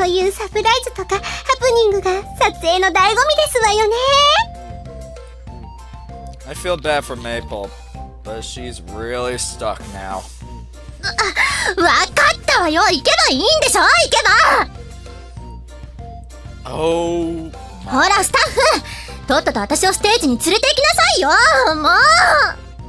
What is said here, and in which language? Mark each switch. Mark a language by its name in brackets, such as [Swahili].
[Japanese] こういうサプライズとかハプニングが撮影の醍醐味ですわよね。 [English] I feel bad for Maple, but she's really stuck now. [Japanese] わかったわよ、行けばいいんでしょ、行けば。 Oh. ほら、スタッフ、とっとと私をステージに連れて行きなさいよ、もう。